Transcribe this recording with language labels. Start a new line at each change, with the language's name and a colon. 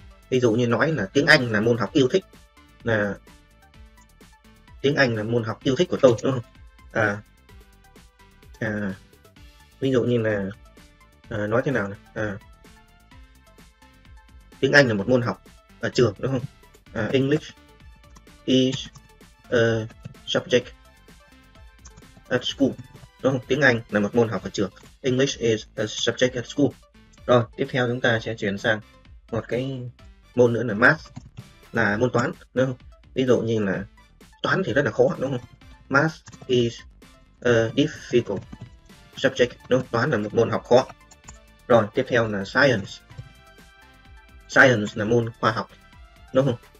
Vietnamese: Ví dụ như nói là tiếng Anh là môn học yêu thích, là tiếng Anh là môn học yêu thích của tôi, đúng không? Ví dụ như là nói thế nào này? Tiếng Anh là một môn học ở trường, đúng không?
English: English is a subject at school,
Vietnamese: đúng không? Tiếng Anh là một môn học ở trường.
English: English is a subject at school.
Vietnamese: Rồi, tiếp theo chúng ta sẽ chuyển sang một cái môn nữa là math, là môn toán, đúng không? Ví dụ như là toán thì rất là khó, đúng không?
English: Math is a difficult subject,
Vietnamese: đúng không? Toán là một môn học khó. Rồi, tiếp theo là science. Science là môn khoa học, đúng không?